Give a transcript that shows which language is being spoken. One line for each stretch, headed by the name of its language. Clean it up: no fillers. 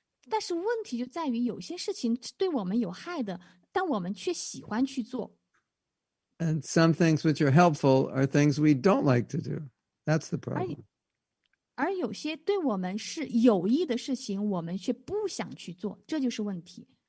Chinese: 但是问题就在于有些事情对我们有害的，但我们却喜欢去做。
English: And some things which are helpful are things we don't like to do. That's the problem.
Chinese: 而有些对我们是有益的事情，我们却不想去做，这就是问题。